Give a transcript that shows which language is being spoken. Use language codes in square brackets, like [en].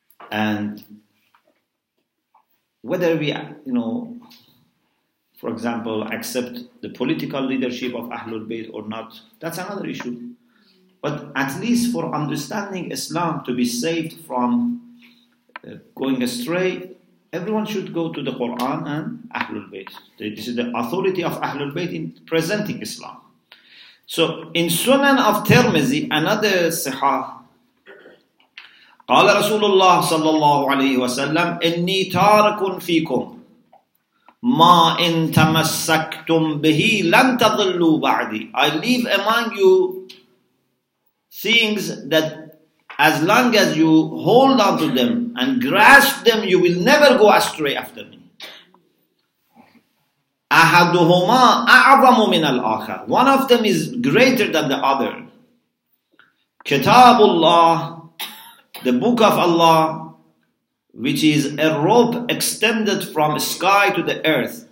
[en] And whether we, you know, for example, accept the political leadership of Ahlul Bayt or not, that's another issue. But at least for understanding Islam, to be saved from going astray, everyone should go to the Quran and Ahlul Bayt. This is the authority of Ahlul Bayt in presenting Islam. So in Sunan of Tirmidhi, another Sahih, [ar] قال رسول الله صلى الله عليه وسلم إني تارك فيكم ما إن تمسكتم به لن تضلوا بعدي. [en] I leave among you things that as long as you hold on to them and grasp them, you will never go astray after me. [ar] أَحَدُهُمَا أَعْظَمُ مِنَ الْآخَرِ. [en] One of them is greater than the other. [ar] كِتَابُ اللَّهِ, [en] the book of Allah, which is a rope extended from sky to the earth.